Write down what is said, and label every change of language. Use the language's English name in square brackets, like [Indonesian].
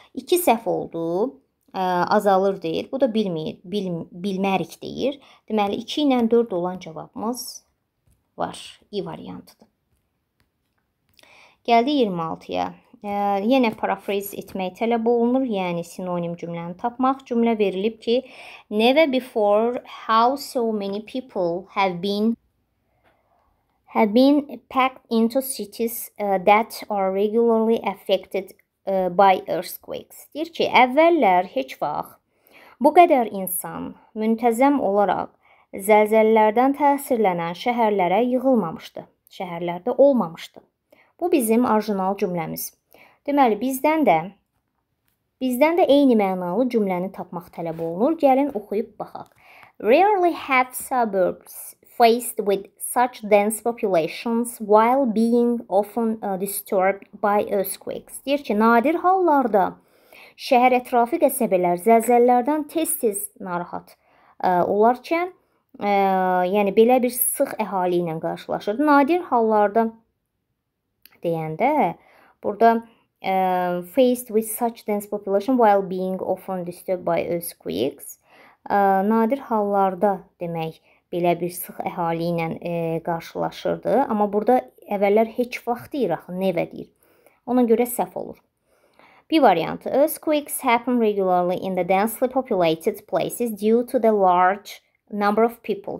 [Azerbaijani] 2 səhv oldu, azalır deyir. Bu da bilmərik deyir. Deməli, 2 ilə 4 olan cavabımız var. İ variantıdır. Gəldi 26-ya. Yenə paraphrase etmək tələb olunur, yəni sinonim cümləni tapmaq. Cümlə verilib ki, [English] never before how so many people have been packed into cities that are regularly affected by earthquakes. [Azerbaijani] Deyir ki, əvvəllər heç vaxt bu qədər insan müntəzəm olaraq zəlzəllərdən təsirlənən şəhərlərə yığılmamışdı. Şəhərlərdə olmamışdı. Bu bizim orijinal cümləmiz. Deməli, bizdən də eyni mənalı cümləni tapmaq tələb olunur. Gəlin oxuyub baxaq. [English] Rarely have suburbs faced with such dense populations while being often disturbed by earthquakes. [Azerbaijani] Deyir ki, nadir hallarda şəhər ətrafı qəsəbələr zəlzəllərdən tez-tez narahat olarkən, yəni belə bir sıx əhali ilə qarşılaşır. Nadir hallarda deyəndə burada [English] faced with such dense population while being often disturbed by earthquakes. [Azerbaijani] Nadir hallarda demək belə bir sıx əhali ilə qarşılaşırdı. Amma burada əvvəllər heç vaxt deyir axı, nevə deyir. Ona görə səhv olur. Bir variant. [English] Earthquakes happen regularly in the densely populated places due to the large number of people.